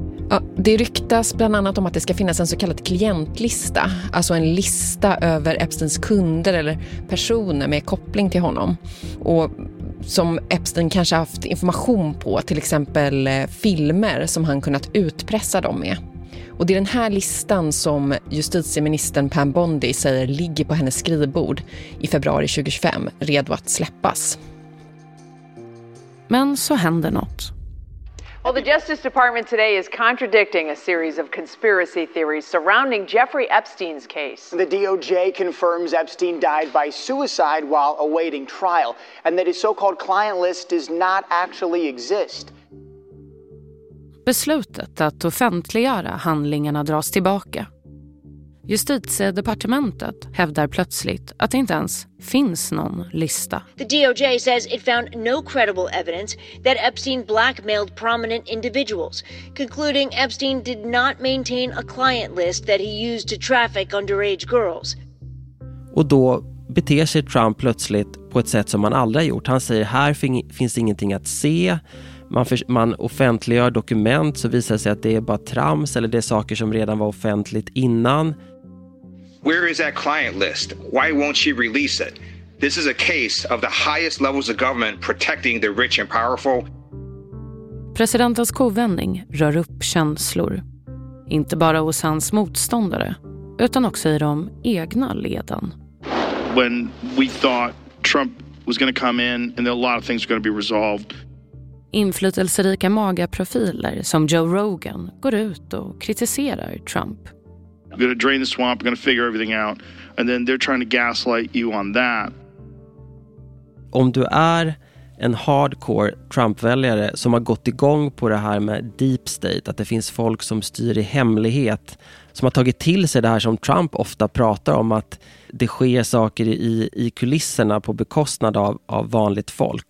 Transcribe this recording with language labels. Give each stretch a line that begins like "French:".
Swedish: Ja, det ryktas bland annat om att det ska finnas en så kallad klientlista, alltså en lista över Epsteins kunder eller personer med koppling till honom och som Epstein kanske haft information på, till exempel filmer som han kunnat utpressa dem med. Och det är den här listan som justitieministern Pam Bondi säger ligger på hennes skrivbord i februari 2025, redo att släppas. Men så händer något.
English: Well, the Justice Department today is contradicting a series of conspiracy theories surrounding Jeffrey Epstein's case. The DOJ confirms Epstein died by suicide while awaiting trial and that his so-called client list does not actually exist.
Swedish: Beslutet att offentliggöra handlingarna dras tillbaka. Justitiedepartementet hävdar plötsligt att det inte ens finns någon lista.
English: The DOJ says it found no credible evidence that Epstein blackmailed prominent individuals, concluding Epstein did not maintain a client list that he used to traffic underage girls.
Swedish: Och då beter sig Trump plötsligt på ett sätt som man aldrig gjort. Han säger här finns ingenting att se. Man offentliggör dokument så visar sig att det är bara trams eller det är saker som redan var offentligt innan.
English: Where is that client list? Why won't she release it? This is a case of the highest levels of government protecting the rich and powerful.
Swedish: Presidentens kovändning rör upp känslor. Inte bara hos hans motståndare, utan också i de egna leden.
English: When we thought Trump was going to come in and a lot of things were going to be resolved.
Swedish: Inflytelserika magaprofiler som Joe Rogan går ut och kritiserar Trump.
English: We're going to drain the swamp, we're going to figure everything out, and then they're trying to gaslight you on that.
Swedish: Om du är en hardcore Trump-väljare som har gått igång på det här med deep state, att det finns folk som styr i hemlighet, som har tagit till sig det här som Trump ofta pratar om, att det sker saker i kulisserna på bekostnad av vanligt folk.